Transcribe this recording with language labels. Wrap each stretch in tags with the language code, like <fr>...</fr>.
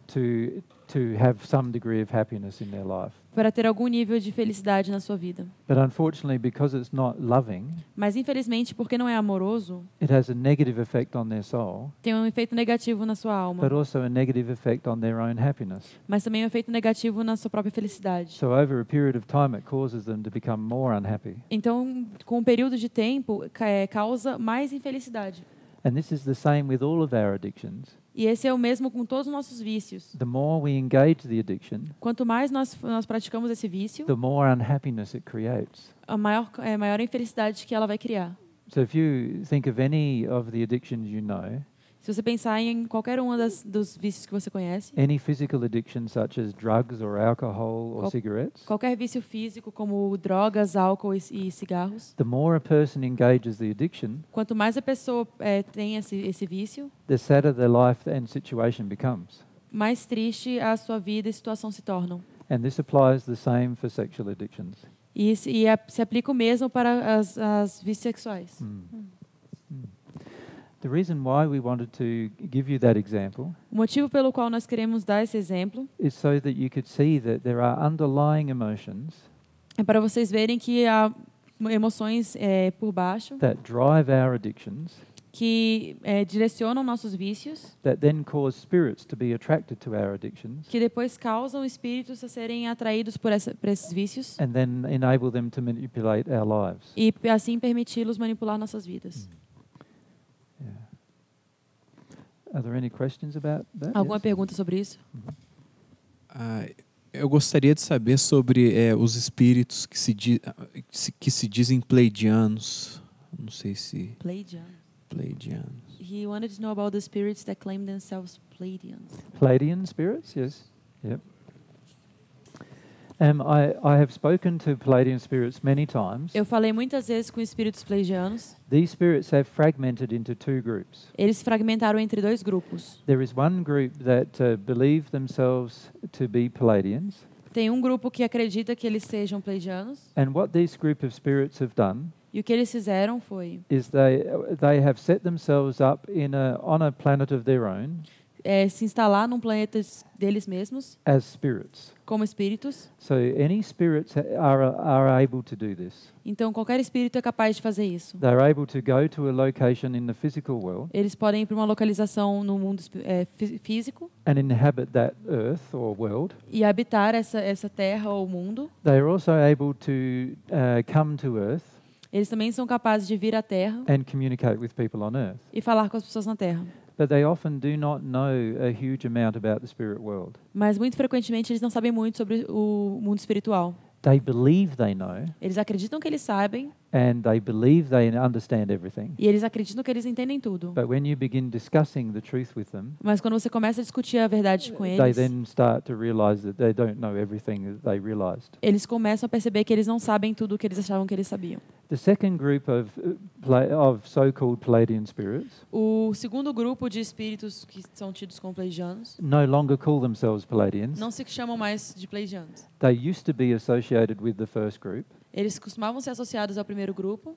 <en>To have some degree of happiness in their life.</en> <pt>Para ter algum nível de felicidade na sua vida.</pt> <en>But unfortunately, because it's not loving,</en> <pt>mas infelizmente, porque não é amoroso,</pt> <en>it has a negative effect on their soul,</en> <pt>tem um efeito negativo na sua alma,</pt> <en>but also a negative effect on their own happiness.</en> <pt>Mas também um efeito negativo na sua própria felicidade.</pt> <en>So over a period of time, it causes them to become more unhappy.</en> <pt>Então, com um período de tempo, causa mais infelicidade.</pt> <en>And this is the same with all of our addictions.</en> <pt>E esse é o mesmo com todos os nossos vícios.</pt> <en>The more we engage the addiction,</en> <pt>quanto mais nós praticamos esse vício,</pt> <en>the more unhappiness it creates.</en> <pt>A maior infelicidade que ela vai criar.</pt> <en>So if you think of any of the addictions you know,</en> <pt>se você pensar em qualquer um dos vícios que você conhece,</pt> <en>any physical addiction such as drugs or alcohol or cigarettes,</en> <pt>qualquer vício físico como drogas, álcool e cigarros,</pt> <en>the more a person engages the addiction,</en> <pt>quanto mais a pessoa tem esse vício,</pt> <en>the sadder their life and situation becomes,</en> <pt>mais triste a sua vida e situação se tornam.</pt> <en>And this applies the same for sexual addictions.</en> <pt>E se aplica o mesmo para as bissexuais. Mm.</pt> <en>The reason why we wanted to give you that example,</en> <pt>o motivo pelo qual nós queremos dar esse exemplo,</pt> <en>is so that you could see that there are underlying emotions,</en> <pt>é para vocês verem que há emoções por baixo,</pt> <en>that drive our addictions,</en> <pt>que direcionam nossos vícios,</pt> <en>that then cause spirits to be attracted to our addictions,</en> <pt>que depois causam espíritos a serem atraídos por esses vícios,</pt> <en>and then enable them to manipulate our lives,</en> <pt>e assim permiti-los manipular nossas vidas.</pt> <en>Are there any questions about that?</en> <pt>Alguma pergunta sobre isso? Eu gostaria de saber sobre os espíritos que se dizem pleidianos. Não sei se... Pleidianos.</pt> <en>He wanted to know about the spirits that claim themselves Pleidians. Pleidian spirits, yes. Yep. I have spoken to Pleidian spirits many times.</en> <pt>Eu falei muitas vezes com espíritos pleidianos.</pt> <en>These spirits have fragmented into two groups.</en> <pt>Eles fragmentaram entre dois grupos.</pt> <en>There is one group that believe themselves to be Pleidians.</en> <pt>Tem grupo que acredita que eles sejam pleidianos.</pt> <en>And what this group of spirits have done?</en> <pt>E o que eles fizeram foi?</pt> <en>Is they have set themselves up on a planet of their own.</en> <pt>Se instalar num planeta deles mesmos.</pt> <en>As spirits.</en> <pt>Como espíritos.</pt> <en>So any spirits are able to do this.</en> <pt>Então qualquer espírito é capaz de fazer isso.</pt> <en>They are able to go to a location in the physical world.</en> <pt>Eles podem ir para uma localização no mundo físico.</pt> <en>And inhabit that earth or world.</en> <pt>E habitar essa terra ou mundo.</pt> <en>They are also able to come to earth.</en> <pt>Eles também são capazes de vir à terra.</pt> <en>And communicate with people on earth.</en> <pt>E falar com as pessoas na terra.</pt> <en>But they often do not know a huge amount about the spirit world.</en> <pt>Mas muito frequentemente eles não sabem muito sobre o mundo espiritual.</pt> <en>They believe they know.</en> <pt>Eles acreditam que eles sabem.</pt> <en>And they believe they understand everything.</en> <pt>E eles acreditam que eles entendem tudo.</pt> <en>But when you begin discussing the truth with them,</en> <pt>mas quando você começa a discutir a verdade com eles,</pt> <en>they then start to realize that they don't know everything that they realized.</en> <pt>Eles começam a perceber que eles não sabem tudo o que eles achavam que eles sabiam.</pt> <en>The second group of so-called Pleiadian spirits.</en> <pt>O segundo grupo de espíritos que são tidos como pleidianos.</pt> <en>No longer call themselves Pleiadians.</en> <pt>Não se chamam mais de pleidianos.</pt> <en>They used to be associated with the first group.</en> <pt>Eles costumavam ser associados ao primeiro grupo.</pt>